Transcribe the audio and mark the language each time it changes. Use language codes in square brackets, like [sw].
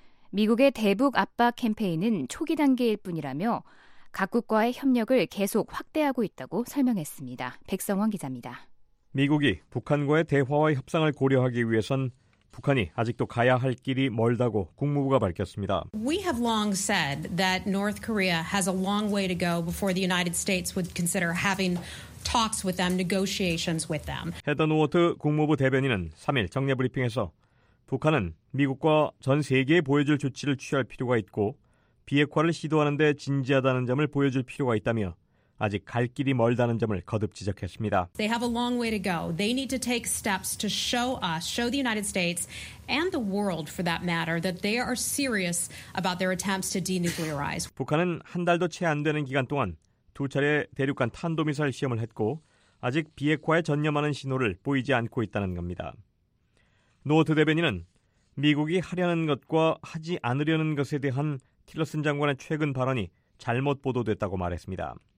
[ko] 미국의 대북 압박 캠페인은 초기 단계일 뿐이라며 각국과의 협력을 계속 확대하고 있다고 설명했습니다. 백성원 기자입니다. 미국이 북한과의 대화와 협상을 고려하기 위해선 북한이 아직도 가야 할 길이 멀다고 국무부가 밝혔습니다. [en] We have long said that North Korea has a long way to go before the United States would consider having talks with them, negotiations with them. [ko] 헤더 노워트 국무부 대변인은 3일 정례 브리핑에서 북한은 미국과 전 세계에 보여줄 조치를 취할 필요가 있고 비핵화를 시도하는 데 진지하다는 점을 보여줄 필요가 있다며 아직 갈 길이 멀다는 점을 거듭 지적했습니다. [en] They have a long way to go. They need to take steps to show us, show the United States and the world for that matter that they are serious about their attempts to denuclearize. [ko] 북한은 한 달도 채 안 되는 기간 동안 두 차례 대륙간 탄도미사일 시험을 했고 아직 비핵화에 전념하는 신호를 보이지 않고 있다는 겁니다. 노트 대변인은 미국이 하려는 것과 하지 않으려는 것에 대한 틸러슨 장관의 최근 발언이 잘못 보도됐다고 말했습니다.